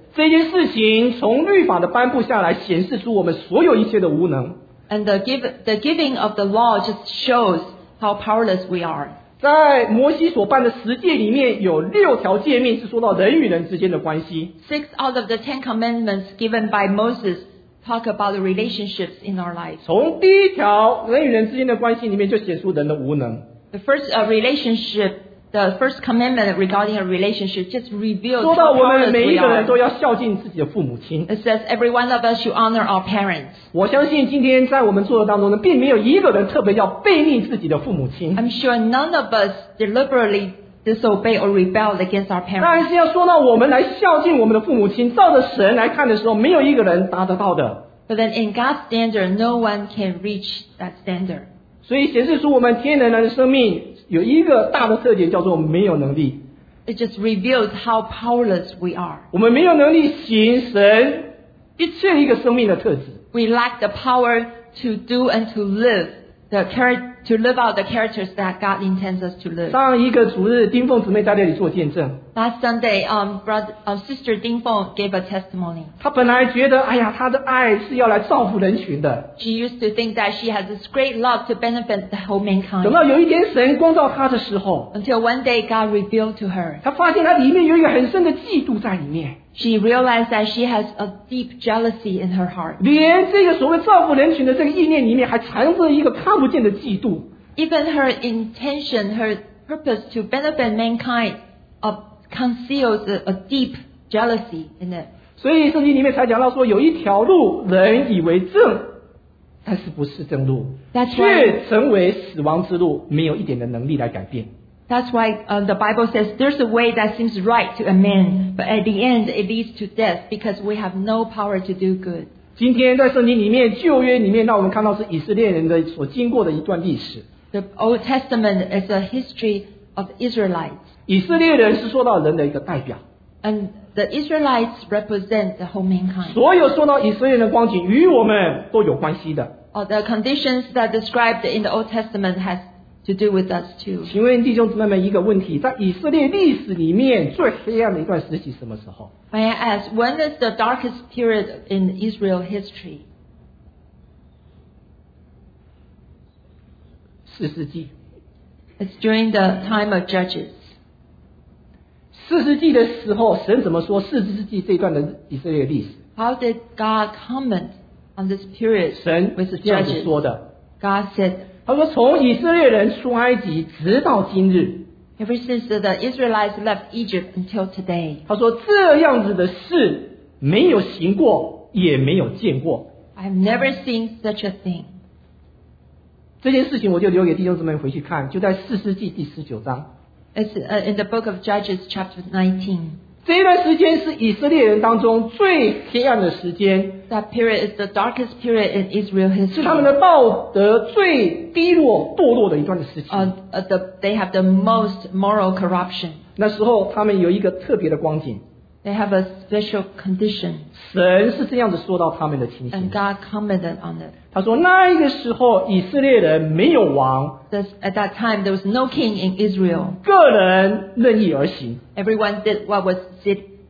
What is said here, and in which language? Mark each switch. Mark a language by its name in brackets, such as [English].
[Chinese] 这件事情从律法的颁布下来，显示出我们所有一切的无能。 [English] And the giving of the law just shows how powerless we are. [Chinese] 在摩西所办的十诫里面有六条诫命是说到人与人之间的关系。 [English] Six out of the Ten Commandments given by Moses talk about the relationships in our life. [Chinese] 从第一条人与人之间的关系里面就显出人的无能。 [English] The first relationship, the first commandment regarding a relationship just reveals. [Chinese] 说到我们每一个人都要孝敬自己的父母亲。 [English] It says every one of us should honor our parents. [Chinese] 我相信今天在我们做的当中呢，并没有一个人特别要背逆自己的父母亲。 [English] I'm sure none of us deliberately disobey or rebel against our parents. [Chinese] 但是要说到我们来孝敬我们的父母亲，照着神来看的时候，没有一个人达得到的。 [English] But then in God's standard, no one can reach that standard. [Chinese] 所以显示出我们天然人的生命有一个大的特点，叫做没有能力。 [English] It just reveals how powerless we are. [Chinese] 我们没有能力行神一切一个生命的特质。 [English] We lack the power to do and to live the to live out the characters that God intends us to live. [Chinese] 上一个主日，丁凤姊妹在那里做见证。 [English] Last Sunday, Sister 丁凤 gave a testimony. [Chinese] 她本来觉得，哎呀，她的爱是要来造福人群的。 [English] She used to think that she has this great love to benefit the whole mankind. [Chinese] 等到有一天神光照她的时候 [English] ，Until one day God revealed to her. [Chinese] 她发现她里面有一个很深的嫉妒在里面。 [English] She realized that she has a deep jealousy in her heart. [Chinese] 连这个所谓造福人群的这个意念里面还藏着一个看不见的嫉妒。 [English] Even her intention, her purpose to benefit mankind, conceals a deep jealousy in it. [Chinese] 所以圣经里面才讲到说，有一条路人以为正，但是不是正路，却成为死亡之路，没有一点的能力来改变。 [English] That's why the Bible says there's a way that seems right to a man, but at the end it leads to death because we have no power to do good. [Chinese] 今天在圣经里面，旧约里面，让我们看到是以色列人的所经过的一段历史。 [English] The Old Testament is a history of Israelites. [Chinese] 以色列人是说到人的一个代表。 [English] And the Israelites represent the whole mankind. [Chinese] 所有说到以色列人的光景与我们都有关系的。 [English] The conditions that are described in the Old Testament has. To do with us too. [Chinese] 请问弟兄姊妹们一个问题，在以色列历史里面最黑暗的一段时期什么时候？ [English] May I ask, when is the darkest period in Israel history? [Chinese] 四世纪。 [English] It's during the time of Judges. [Chinese] 四世纪的时候，神怎么说四世纪这段的以色列历史？ [English] How did God comment on this period with the judges? [Chinese] 神这样子说的。 [English] God said. [Chinese] 他说：“从以色列人出埃及直到今日 [English] ，Ever since the Israelites left Egypt until today。” [Chinese] 他说：“这样子的事没有行过，也没有见过。” [English] I've never seen such a thing. [Chinese] 这件事情我就留给弟兄姊妹回去看, 就在士师记第19章。 [English] It's in the book of Judges, chapter 19. [Chinese] 这一段时间是以色列人当中最黑暗的时间。 [English] That period is the darkest period in Israel history. [Chinese] 是他们的道德最低落堕落的一段的时期。 [English] They have the most moral corruption. [Chinese] 那时候他们有一个特别的光景。 [English] They have a special condition. [Chinese] 神是这样子说到他们的情形。 [English] And God commented on it. [Chinese] 他说那一个时候以色列人没有王。 [English] At that time, there was no king in Israel. [Chinese] 个人任意而行。 [English] Everyone did what was fit.